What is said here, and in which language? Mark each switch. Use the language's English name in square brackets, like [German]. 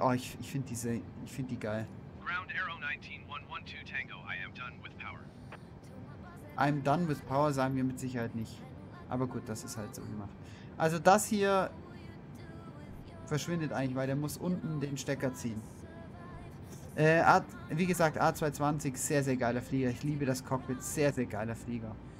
[German] Oh, ich finde diese, ich finde die geil. [English] Ground Arrow 19112 Tango, I am done with power. I'm done with power [German] sagen wir mit Sicherheit nicht. Aber gut, das ist halt so gemacht. Also das hier verschwindet eigentlich, weil der muss unten den Stecker ziehen. Wie gesagt, A220, sehr, sehr geiler Flieger. Ich liebe das Cockpit, sehr, sehr geiler Flieger.